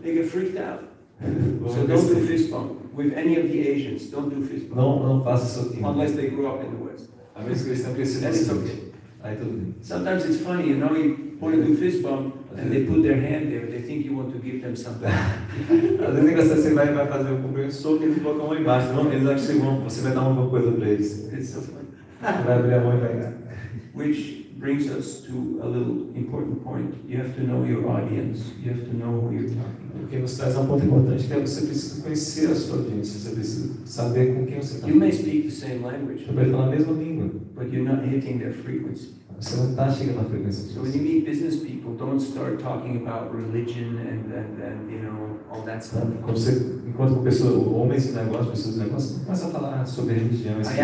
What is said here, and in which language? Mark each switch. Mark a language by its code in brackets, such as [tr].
[en] They get freaked out. So don't do fist bump with any of the Asians. Don't do fist bump. [pt] Não faça soquinho. [en] Unless they grew up in the West. [pt] A menos que eles tenham crescido no Sul. Okay. Aí tudo bem. [en] Sometimes it's funny, you know, you want to do fist bump and they put their hand there. They think you want to give them something. [pt] Às vezes você assim, vai fazer um cumprimento soco e eles colocam a mão embaixo. Não, eles acham que você vai dar alguma coisa para eles. [en] It's so funny. [pt] Vai abrir a mão e vai dar. [en] Which brings us to a little important point. You have to know your audience. You have to know who you're talking about. [pt] O que nos traz um ponto importante é que você precisa conhecer a sua audiência. Você precisa saber com quem você está. [en] You may speak the same language. [pt] Você pode falar a mesma língua. [en] But you're not hitting their frequency. [pt] Você não está chegando na frequência. [en] So when you meet business people, don't start talking about religion and you know all that stuff. [pt] Enquanto homens de negócio, pessoas de negócio, começa a falar sobre religião.